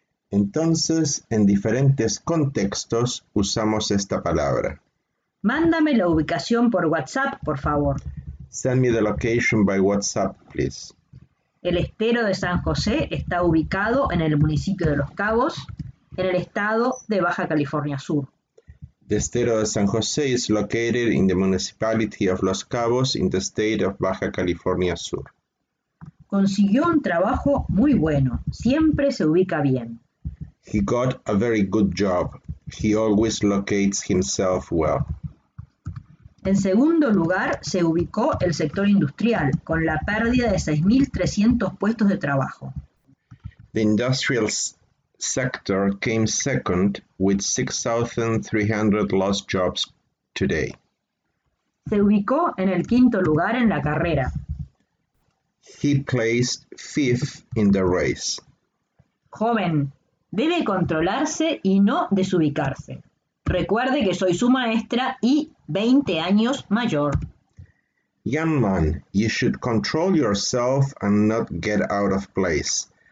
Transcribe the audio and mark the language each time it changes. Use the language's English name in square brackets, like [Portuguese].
[Spanish] Entonces, en diferentes contextos usamos esta palabra. Mándame la ubicación por WhatsApp, por favor. [English] Send me the location by WhatsApp, please. [Spanish] El estero de San José está ubicado en el municipio de Los Cabos, en el estado de Baja California Sur. [English] The Estero de San José is located in the municipality of Los Cabos in the state of Baja California Sur. [Spanish] Consiguió un trabajo muy bueno, siempre se ubica bien. [English] He got a very good job. He always locates himself well. [Spanish] En segundo lugar, se ubicó el sector industrial, con la pérdida de 6.300 puestos de trabajo. [English] The industrial sector came second with 6,300 lost jobs today. [Spanish] Se ubicó en el quinto lugar en la carrera. [English] He placed fifth in the race. [Spanish] Joven, debe controlarse y no desubicarse. Recuerde que soy su maestra y 20 años mayor. [English] Young man, you should control yourself and not get out of place.